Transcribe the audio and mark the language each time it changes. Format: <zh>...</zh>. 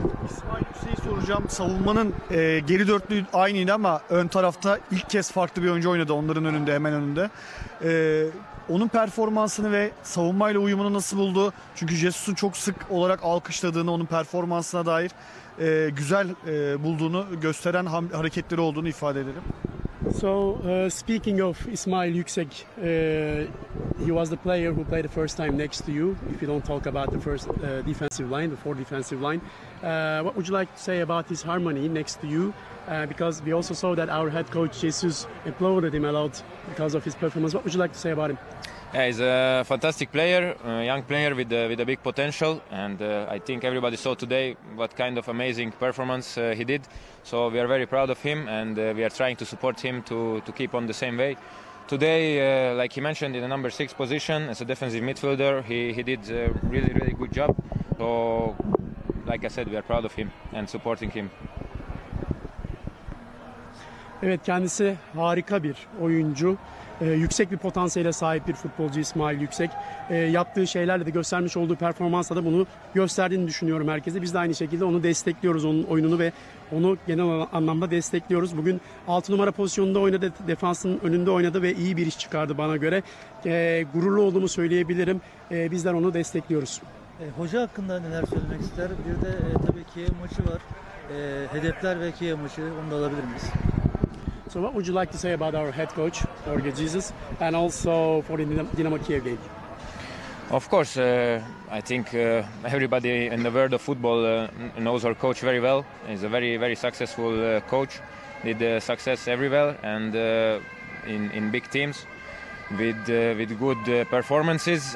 <tr>İsmail Hüseyin soracağım. Savunmanın geri dörtlüğü aynıydı ama ön tarafta ilk kez farklı bir oyuncu oynadı onların önünde, hemen önünde. Onun performansını ve savunmayla uyumunu nasıl buldu? Çünkü Jesus'un çok sık olarak alkışladığını, onun performansına dair güzel bulduğunu gösteren hareketleri olduğunu ifade ederim.</tr> <en>So speaking of İsmail Yüksek, he was the player who played the first time next to you. If you don't talk about the first defensive line, the four defensive line, what would you like to say about his harmony next to you? Because we also saw that our head coach Jesus applauded him a lot because of his performance. What would you like to say about him? Yeah, he's a fantastic player, a young player with a big potential, and I think everybody saw today what kind of amazing performance he did. So we are very proud of him, and we are trying to support him to keep on the same way. Today, like he mentioned, in the number six position as a defensive midfielder, he did a really really good job. So, like I said, we are proud of him and supporting him.</en> <tr>Evet, kendisi harika bir oyuncu. Yüksek bir potansiyele sahip bir futbolcu İsmail Yüksek. Yaptığı şeylerle de göstermiş olduğu performansla da bunu gösterdiğini düşünüyorum herkese. Biz de aynı şekilde onu destekliyoruz, onun oyununu ve onu genel anlamda destekliyoruz. Bugün 6 numara pozisyonunda oynadı, defansın önünde oynadı ve iyi bir iş çıkardı bana göre. Gururlu olduğumu söyleyebilirim. Bizler onu destekliyoruz. Hoca hakkında neler söylemek ister? Bir de tabii ki maçı var. Hedefler ve Kiev maçı, onu da alabilir miyiz?</tr> <en>So what would you like to say about our head coach, Jorge Jesus, and also for the Dynamo Kiev game? Of course, I think everybody in the world of football knows our coach very well. He's a very, very successful coach. Did success everywhere and in big teams with good performances.</en>